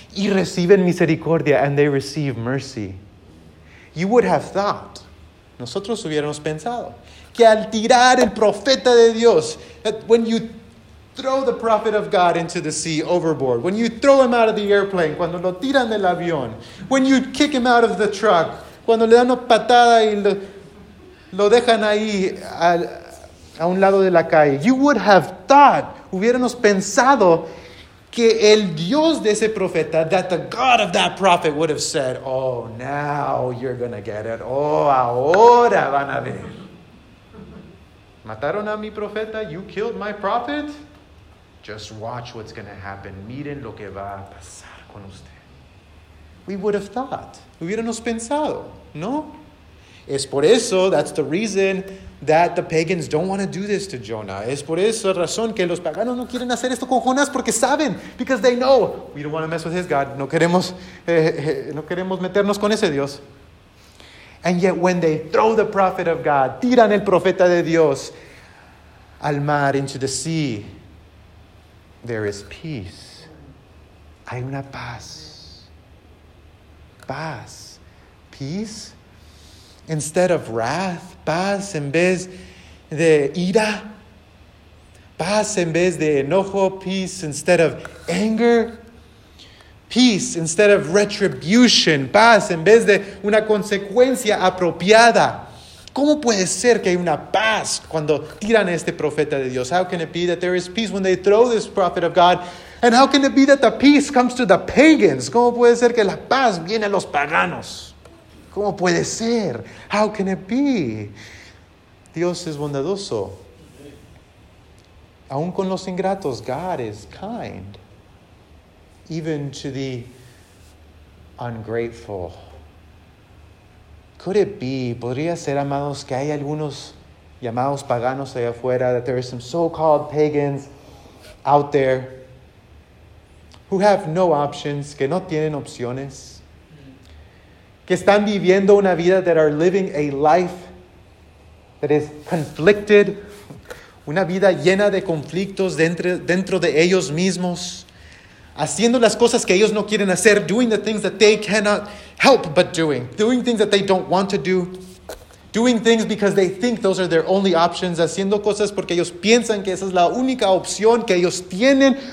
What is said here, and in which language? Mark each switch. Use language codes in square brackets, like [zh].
[es] Y reciben misericordia. [en] And they receive mercy. You would have thought. [es] Nosotros hubiéramos pensado. Que al tirar el profeta de Dios. [en] When you throw the prophet of God into the sea overboard. When you throw him out of the airplane. [es] Cuando lo tiran del avión. [en] When you kick him out of the truck. [es] Cuando le dan una patada y lo dejan ahí a un lado de la calle. [en] You would have thought. [es] Hubiéramos pensado que el Dios de ese profeta. [en] That the God of that prophet would have said. Oh, now you're going to get it. [es] Oh, ahora van a ver. Mataron a mi profeta. [en] You killed my prophet. Just watch what's going to happen. [es] Miren lo que va a pasar con usted. [en] We would have thought. [es] Hubiéramos pensado, ¿no? Es por eso, [en] that's the reason that the pagans don't want to do this to Jonah. [es] Es por eso la razón que los paganos no quieren hacer esto con Jonás porque saben, [en] because they know, we don't want to mess with his God. [es] No queremos meternos con ese Dios. [en] And yet when they throw the prophet of God, [es] tiran el profeta de Dios al mar, [en] into the sea, there is peace. [es] Hay una paz. Paz. [en] Peace. Instead of wrath. [es] Paz en vez de ira. Paz en vez de enojo. [en] Peace instead of anger. Peace instead of retribution. [es] Paz en vez de una consecuencia apropiada. ¿Cómo puede ser que hay una paz cuando tiran a este profeta de Dios? [en] How can it be that there is peace when they throw this prophet of God? And how can it be that the peace comes to the pagans? [es] ¿Cómo puede ser que la paz viene a los paganos? ¿Cómo puede ser? [en] How can it be? [es] Dios es bondadoso. Aún con los ingratos, [en] God is kind. Even to the ungrateful. Could it be, [es] podría ser, amados, que hay algunos llamados paganos allá afuera, [en] that there are some so-called pagans out there who have no options, [es] que no tienen opciones, que están viviendo una vida, [en] that are living a life that is conflicted, [es] una vida llena de conflictos dentro de ellos mismos, haciendo las cosas que ellos no quieren hacer, [en] doing the things that they cannot help but doing things that they don't want to do. Doing things because they think those are their only options. [es] Haciendo cosas porque ellos piensan que esa es la única opción que ellos tienen.